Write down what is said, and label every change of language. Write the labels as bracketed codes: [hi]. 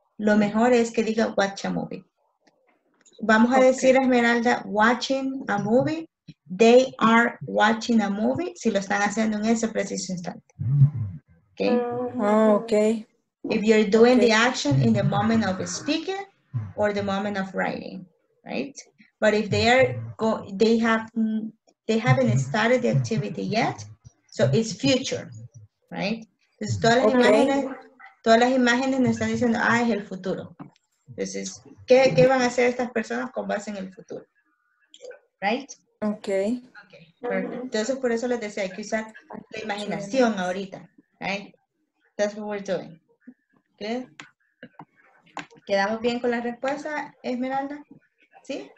[es] Lo mejor es que diga [en] watch a movie. [es] Vamos a decir, Esmeralda, [en] watching a movie. They are watching a movie. [es] Si lo están haciendo en ese preciso instante. [en] Okay. Oh, okay. If you're doing the action in the moment of speaking or the moment of writing, right? But if they haven't started the activity yet, so it's future, right? [es] Entonces, todas las imágenes nos están diciendo, es el futuro. Entonces, ¿qué van a hacer estas personas con base en el futuro? [en] Right? Okay. [es] Entonces, por eso les decía, hay que usar la imaginación ahorita. [en] Right? That's what we're doing. Okay. [es] ¿Quedamos bien con la respuesta, Esmeralda? ¿Sí?